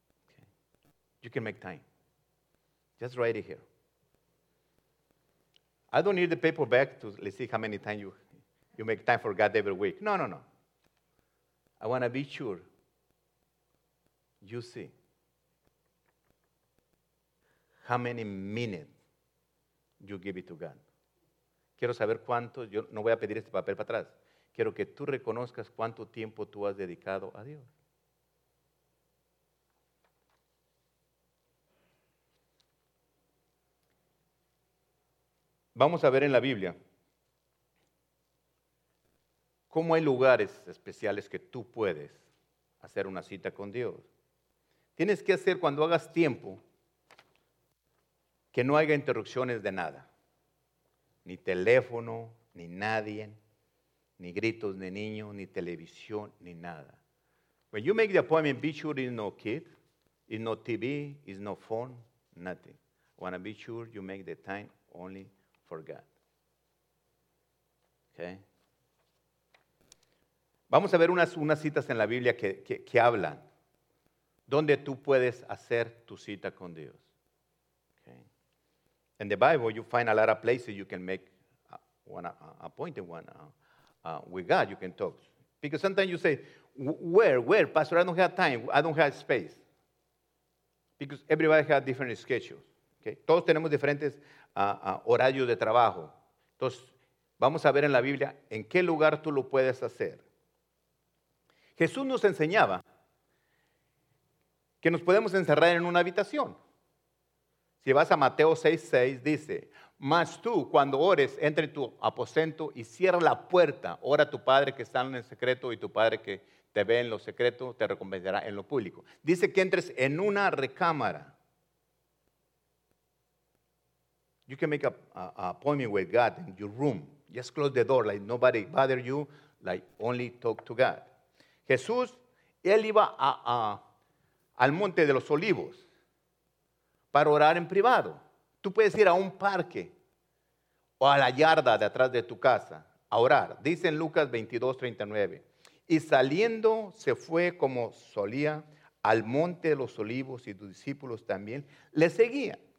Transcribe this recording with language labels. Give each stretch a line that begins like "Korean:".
English: Okay. You can make time. Just write it here. I don't need the paper back to see how many times you make time for God every week. No, no, no. I want to be sure you see how many minutes you give it to God.
Spanish: Quiero saber cuánto, yo no voy a pedir este papel para atrás. Quiero que tú reconozcas cuánto tiempo tú has dedicado a Dios. Vamos a ver en la Biblia. ¿Cómo hay lugares especiales que tú puedes hacer una cita con Dios? Tienes que hacer cuando hagas tiempo que no haya interrupciones de nada. Ni teléfono, ni nadie, ni gritos de niño, ni televisión, ni nada.
English: When you make the appointment, be sure there's no kid, there's no TV, there's no phone, nothing. I want to be sure you make the time only for God. Okay?
Spanish: Vamos a ver unas citas en la Biblia que hablan donde tú puedes hacer tu cita con Dios. Okay.
English: In the Bible, you find a lot of places you can make an appointment with God. You can talk. Because sometimes you say, where, Pastor, I don't have time. I don't have space. Because everybody has different schedules. Okay.
Spanish: Todos tenemos diferentes horarios de trabajo. Entonces, vamos a ver en la Biblia en qué lugar tú lo puedes hacer. Jesús nos enseñaba que nos podemos encerrar en una habitación. Si vas a Mateo 6:6, dice, mas tú, cuando ores, entra en tu aposento y cierra la puerta, ora a tu Padre que está en el secreto y tu Padre que te ve en lo secreto, te recompensará en lo público. Dice que entres en una recámara.
English: You can make an appointment with God in your room. Just close the door, like nobody bother you, like only talk to God.
Spanish: Jesús, Él iba al Monte de los Olivos para orar en privado. Tú puedes ir a un parque o a la yarda de atrás de tu casa a orar. Dice en Lucas 22:39. Y saliendo se fue como solía al Monte de los Olivos y tus discípulos también le seguían.